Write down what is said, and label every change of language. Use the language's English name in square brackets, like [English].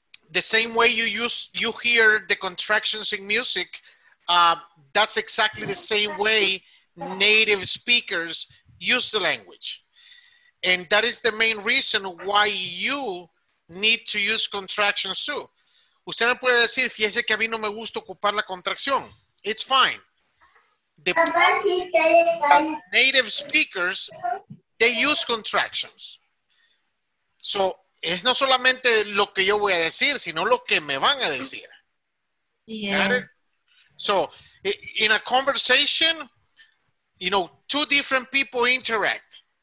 [English] The same way you hear the contractions in music, that's exactly the same way native speakers use the language. And that is the main reason why you need to use contractions too. [Spanish] Usted me puede decir, fíjese que a mí no me gusta ocupar la contracción. [English] It's fine. The native speakers, they use contractions. [Spanish] So, es no solamente lo que yo voy a decir, sino lo que me van a decir. [English] Yeah. Got it? So, in a conversation, you know, two different people interact.